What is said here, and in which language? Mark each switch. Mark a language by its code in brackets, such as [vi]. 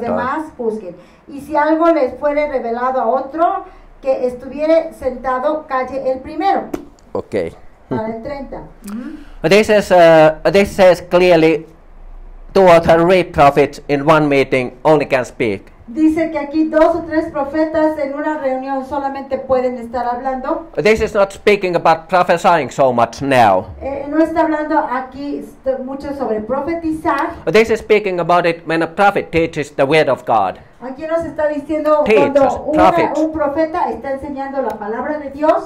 [es] demás juzguen, y si algo les fuere revelado a otro, que estuviere sentado, calle el primero. Ok. Para el [en] 30. Mm-hmm. This says clearly, two or three prophets in one meeting only can speak. [es] Dice que aquí dos o tres profetas en una reunión solamente pueden estar hablando. [en] This is not speaking about prophesying so much now. [es] No está hablando aquí mucho sobre profetizar. [en] This is speaking about it when a prophet teaches the word of God. [es] Aquí nos está diciendo cuando un profeta está enseñando la palabra de Dios.